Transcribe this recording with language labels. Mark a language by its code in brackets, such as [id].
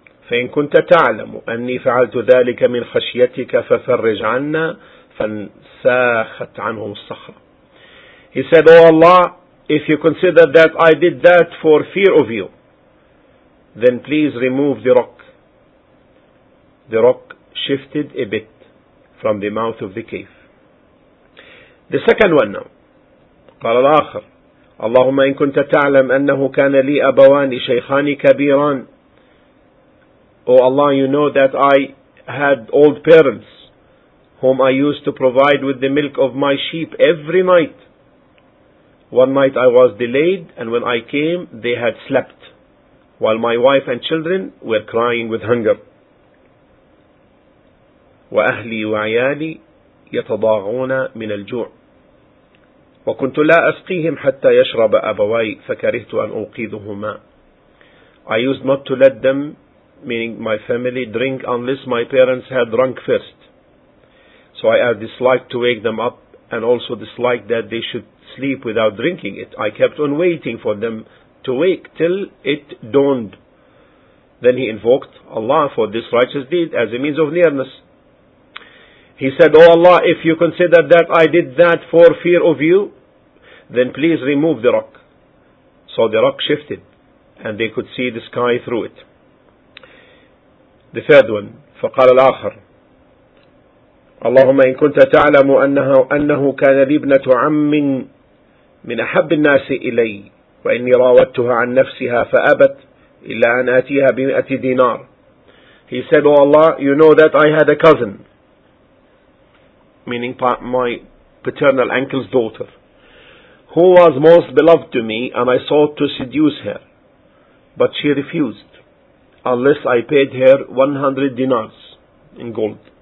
[ar] فَإِن كُنْتَ تَعْلَمُ أَنِّي فَعَلْتُ ذَلِكَ مِنْ خَشْيَتِكَ فَفَرِّجْ عَنَّا فَانْسَاخَتْ عَنْهُمْ الصَّخْرَةِ. [en] He said, oh Allah, if you consider that I did that for fear of you, then please remove the rock. The rock shifted a bit from the mouth of the cave. The second one now. [ar] قال الآخر, اللهم إن كنت تعلم أنه كان لي أبوان شيخان كبيران. [en] Oh Allah, you know that I had old parents whom I used to provide with the milk of my sheep every night. One night I was delayed, and when I came, they had slept, while my wife and children were crying with hunger. [ar] وأهلي وعيالي يتضاغون من الجوع. وكنت لا أسقيهم حتى يشرب أبوي فكرهت أن أوقظهما. [en] I used not to let them, meaning my family, drink unless my parents had drunk first. So I disliked to wake them up, and also disliked that they should sleep without drinking it. I kept on waiting for them to wake till it dawned. Then he invoked Allah for this righteous deed as a means of nearness. He said, O Allah, if you consider that I did that for fear of you, then please remove the rock. So the rock shifted, and they could see the sky through it. The third one, [ar] فقال الآخر اللهم إن كنت تعلم أنه كان لي ابنة عم من أحب الناس إلي وإني راودتها عن نفسها فأبت إلا أن آتيها بمئة دينار. [en] He said, Oh Allah, you know that I had a cousin, meaning my paternal uncle's daughter, who was most beloved to me, and I sought to seduce her, but she refused unless I paid her 100 dinars in gold.